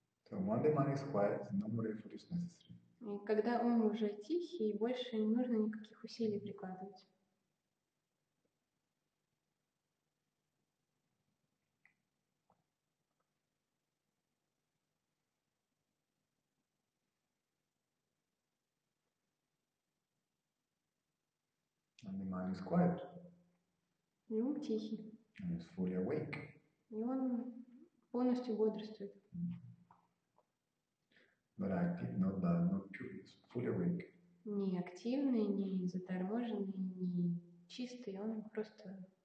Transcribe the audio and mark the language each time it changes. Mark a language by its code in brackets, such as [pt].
[en] So when the mind is quiet, no more effort is necessary. [ru] И когда ум уже тихий, больше не нужно никаких усилий прикладывать. [en] And the mind is quiet. [ru] И ум тихий. [en] And it's fully awake. [ru] И он полностью бодрствует. [en] But active, not bad, not curious, fully awake. [ru] Не активный, не заторможенный, не чистый, он просто